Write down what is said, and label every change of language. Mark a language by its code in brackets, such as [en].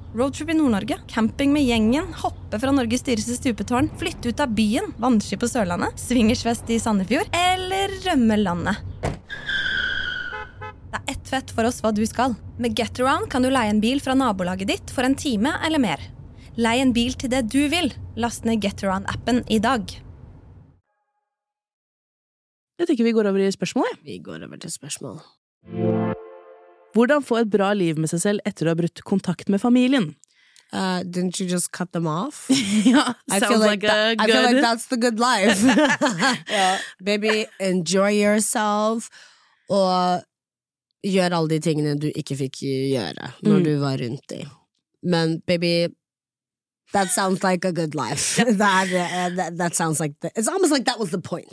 [no] Roadtrip i Nord-Norge, camping med gjengen, hoppe fra Norges dyreste stupetårn, flytte ut av byen, vannski på Sørlandet, svingersvest I Sandefjord, eller rømme landet. Det ett fett for oss hva du skal. Med GetAround kan du leie en bil fra nabolaget ditt for en time eller mer. Leie en bil til det du vil. Last ned GetAround-appen I dag. Jeg tenker vi går over til spørsmål, ja. Vi går over til spørsmål. Hvordan få et bra liv med seg selv etter å ha brutt kontakt med familien? [en] Didn't you just cut them off? Yeah, sounds I feel like that's the good life. Baby, enjoy yourself. [no] Og gjør alle de tingene du ikke fikk gjøre når du var rundt dem. [en] Men baby, that sounds like a good life. That sounds like it's almost like that was the point.